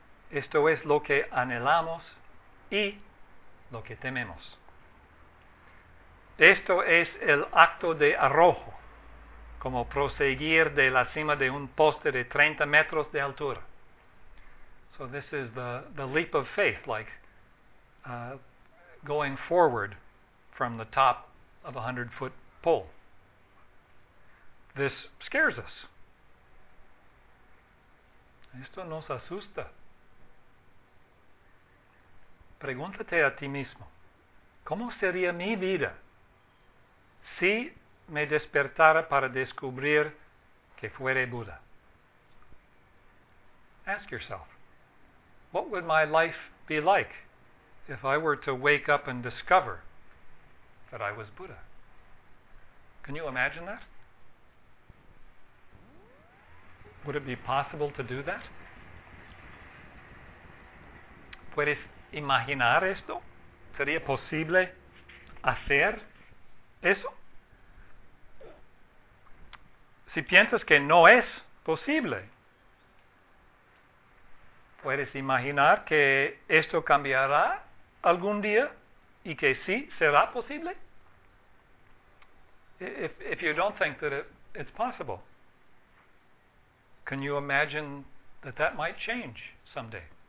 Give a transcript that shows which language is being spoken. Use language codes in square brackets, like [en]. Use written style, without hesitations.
[es] Esto es lo que anhelamos y lo que tememos. Esto es el acto de arrojo, como proseguir de la cima de un poste de 30 metros de altura. [en] So this is the leap of faith, like going forward from the top of a 100-foot pole. This scares us. [es] Esto nos asusta. Pregúntate a ti mismo, ¿cómo sería mi vida si me despertara para descubrir que fuere Buda? [en] Ask yourself, what would my life be like if I were to wake up and discover that I was Buddha? Can you imagine that? Would it be possible to do that? [es] ¿Puedes imaginar esto? ¿Sería posible hacer eso? Si piensas que no es posible, ¿puedes imaginar que esto cambiará algún día y que sí será posible? [en] If you don't think that it's possible, can you imagine that that might change someday?